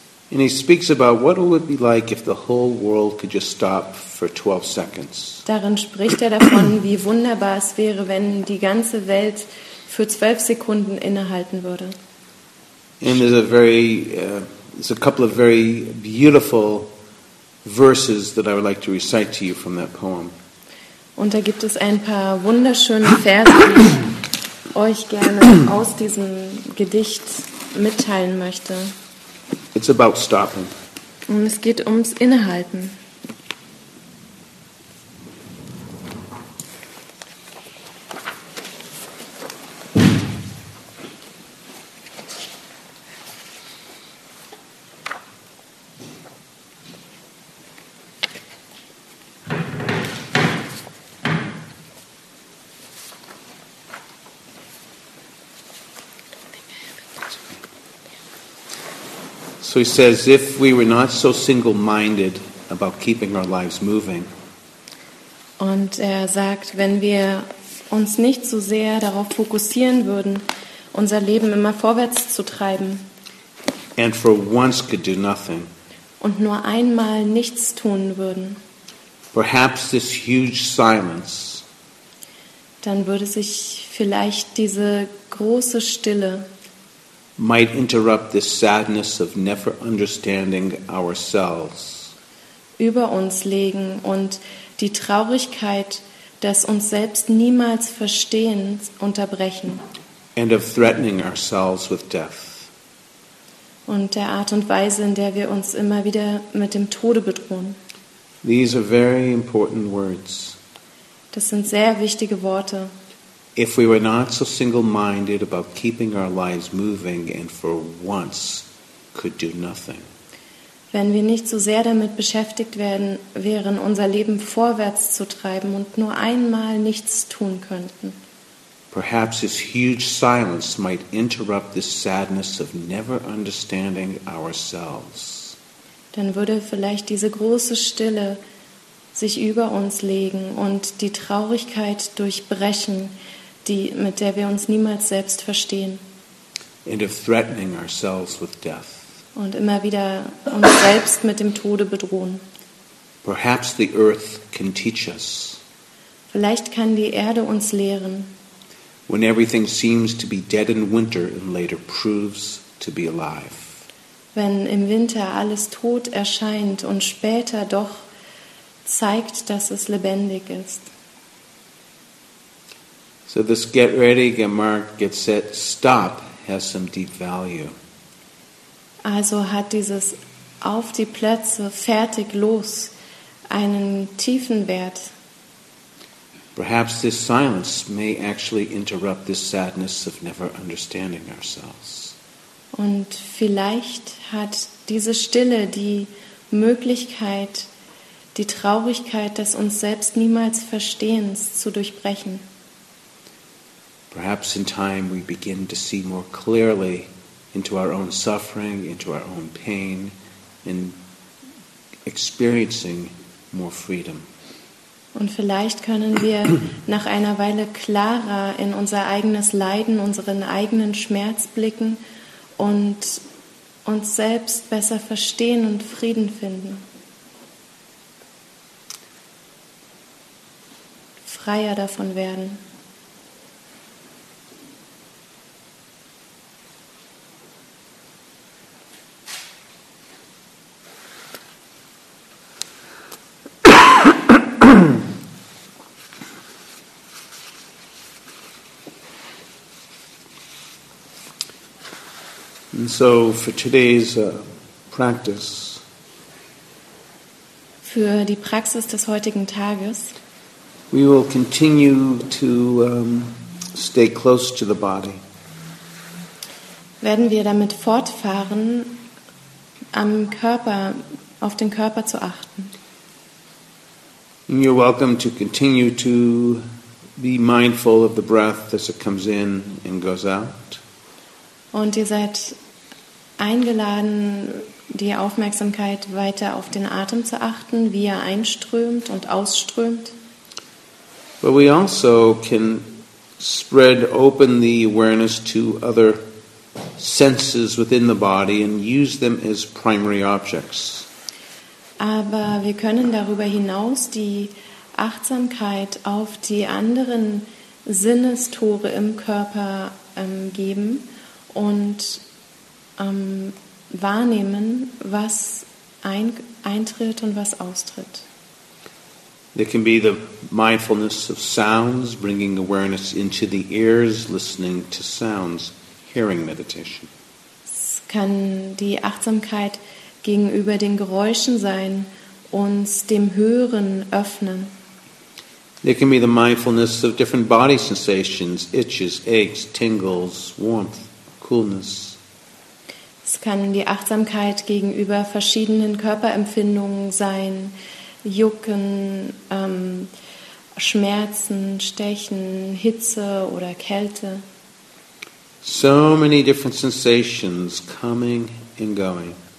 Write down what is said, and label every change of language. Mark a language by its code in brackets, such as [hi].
[en] And he speaks about what it would be like if the whole world could just stop for 12 seconds. [de] Darin spricht er davon, wie wunderbar es wäre, wenn die ganze Welt für 12 Sekunden innehalten würde. [en] And there's a very there's a couple of very beautiful verses that I would like to recite to you from that poem. [de] Und da gibt es ein paar wunderschöne Verse, die ich euch gerne aus diesem Gedicht mitteilen möchte. [en] It's about stopping. [de] Und es geht ums Innehalten. [en] So he says, if we were not so single-minded about keeping our lives moving. [de] Und er sagt, wenn wir uns nicht so sehr darauf fokussieren würden, unser Leben immer vorwärts zu treiben. [en] And for once could do nothing. [de] Und nur einmal nichts tun würden. [en] Perhaps this huge silence. [de] Dann würde sich vielleicht diese große Stille. [en] Might interrupt this sadness of never understanding ourselves. [de] Über uns legen und die Traurigkeit, dass uns selbst niemals verstehen, unterbrechen. [en] And of threatening ourselves with death. [de] Und der Art und Weise, in der wir uns immer wieder mit dem Tode bedrohen. [en] These are very important words. [de] Das sind sehr wichtige Worte. [en] If we were not so single-minded about keeping our lives moving and for once could do nothing. [de] Wenn wir nicht so sehr damit beschäftigt wären, unser Leben vorwärts zu treiben und nur einmal nichts tun könnten. [en] Perhaps this huge silence might interrupt this sadness of never understanding ourselves. [de] Dann würde vielleicht diese große Stille sich über uns legen und die Traurigkeit durchbrechen, die, mit der wir uns niemals selbst verstehen. [en] And of threatening ourselves with death. [de] Und immer wieder uns selbst mit dem Tode bedrohen. [en] Perhaps the earth can teach us. [de] Vielleicht kann die Erde uns lehren. [en] When everything seems to be dead in winter and later proves to be alive. [de] Wenn im Winter alles tot erscheint und später doch zeigt, dass es lebendig ist. [en] So this get ready, get marked, get set, stop has some deep value. [de] Also hat dieses auf die Plätze, fertig, los einen tiefen Wert. [en] Perhaps this silence may actually interrupt this sadness of never understanding ourselves. [de] Und vielleicht hat diese Stille die Möglichkeit, die Traurigkeit des uns selbst niemals Verstehens zu durchbrechen. [en] Perhaps in time we begin to see more clearly into our own suffering, into our own pain, and experiencing more freedom. [de] Und vielleicht können wir nach einer Weile klarer in unser eigenes Leiden, unseren eigenen Schmerz blicken und uns selbst besser verstehen und Frieden finden. Freier davon werden. [en] And so for today's practice, [de] für die Praxis des heutigen Tages, [en] we will continue to stay close to the body. [de] Werden wir damit fortfahren, am Körper, auf den Körper zu achten. [en] And you're welcome to continue to be mindful of the breath as it comes in and goes out. [de] Und ihr seid eingeladen, die Aufmerksamkeit weiter auf den Atem zu achten, wie er einströmt und ausströmt. [en] But we also can spread open the awareness to other senses within the body and use them as primary objects. [de] Aber wir können darüber hinaus die Achtsamkeit auf die anderen Sinnestore im Körper geben und wahrnehmen, was eintritt und was austritt. [en] There can be the mindfulness of sounds, bringing awareness into the ears, listening to sounds, hearing meditation. [de] Es kann die Achtsamkeit gegenüber den Geräuschen sein, uns dem Hören öffnen. [en] There can be the mindfulness of different body sensations, itches, aches, tingles, warmth, coolness. [de] Es kann die Achtsamkeit gegenüber verschiedenen Körperempfindungen sein, Jucken, Schmerzen, Stechen, Hitze oder Kälte. [en] So many different sensations coming and going.